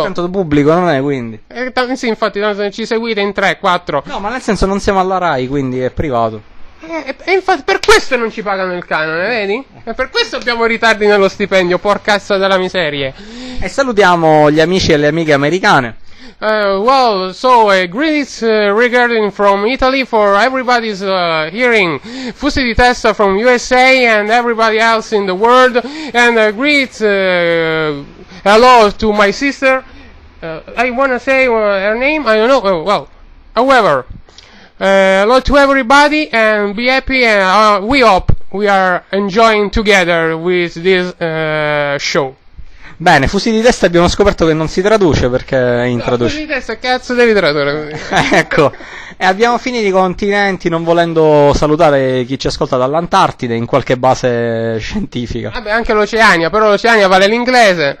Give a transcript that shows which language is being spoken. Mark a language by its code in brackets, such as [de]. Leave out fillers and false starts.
[it] Tanto pubblico non è, quindi. Sì, infatti ci seguite in 3-4. No, ma nel senso non siamo alla Rai, quindi è privato. E infatti per questo non ci pagano il canone, vedi? E per questo abbiamo ritardi nello stipendio, porca cazzo della miseria. E salutiamo gli amici e le amiche americane. [en] Well, so greetings regarding from Italy for everybody's hearing Fusi di Testa from USA and everybody else in the world, and greet hello to my sister. I wanna say her name, I don't know, well, however, hello to everybody and be happy, and we hope we are enjoying together with this show. [it] Bene, Fusi di Testa abbiamo scoperto che non si traduce perché è intraduce. No, Fusi di Testa, cazzo devi tradurre. Ecco, e abbiamo finito i continenti non volendo salutare chi ci ascolta dall'Antartide in qualche base scientifica. Vabbè, anche l'Oceania, però l'Oceania vale l'inglese.